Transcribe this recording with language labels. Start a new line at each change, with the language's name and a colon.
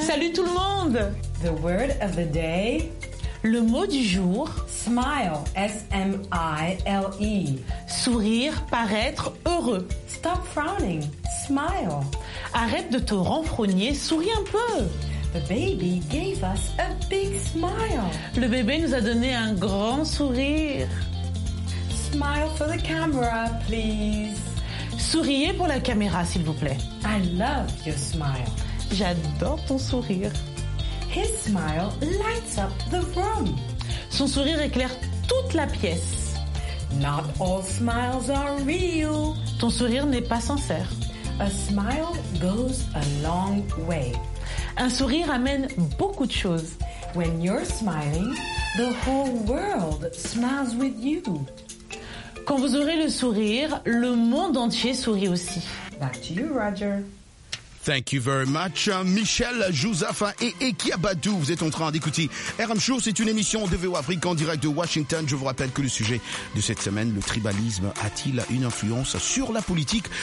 French: Salut tout le monde.
English: The word of the day.
French: Le mot du jour.
English: Smile, S-M-I-L-E.
French: Sourire, paraître heureux.
English: Stop frowning, smile.
French: Arrête de te renfrogner, souris un peu.
English: The baby gave us a big smile.
French: Le bébé nous a donné un grand sourire.
English: Smile for the camera, please.
French: Souriez pour la caméra, s'il vous plaît.
English: I love your smile.
French: J'adore ton sourire.
English: His smile lights up the room.
French: Son sourire éclaire toute la pièce.
English: Not all smiles are real.
French: Ton sourire n'est pas sincère.
English: A smile goes a long way.
French: Un sourire amène beaucoup de choses.
English: When you're smiling, the whole world smiles with you.
French: Quand vous aurez le sourire, le monde entier sourit aussi.
English: Back to you, Roger. Thank you very much, Michel, Jouzafa et Eki Abadou.
French: Vous êtes en train d'écouter RM Show. C'est une émission de VO Afrique en direct de Washington. Je vous rappelle que le sujet de cette semaine, le tribalisme, a-t-il une influence sur la politique?